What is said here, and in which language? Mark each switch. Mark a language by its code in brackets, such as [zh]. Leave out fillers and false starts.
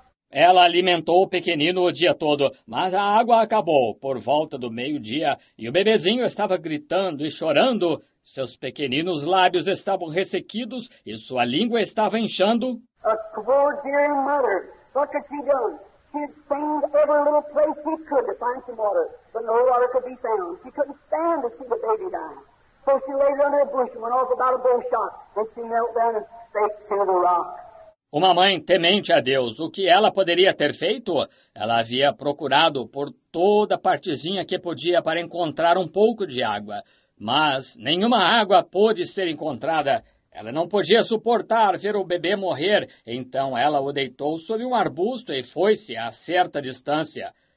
[pt] Ela alimentou o pequenino o dia todo, mas a água acabou por volta do meio-dia, e o bebezinho estava gritando e chorando. Seus pequeninos lábios estavam ressequidos e sua língua estava inchando. [en] A poor dear mother, what could she do? She had stained every little place she could to find some water, but no water could be found. She couldn't stand to see the baby die. So she laid under a bush and went off about a bow shot, and she knelt down and spake to the rock. [pt] Uma mãe temente a Deus, o que ela poderia ter feito? Ela havia procurado por toda partezinha que podia para encontrar um pouco de água. Mas nenhuma água pôde ser encontrada. Ela não podia suportar ver o bebê morrer, então ela o deitou sob um arbusto e foi-se a certa distância.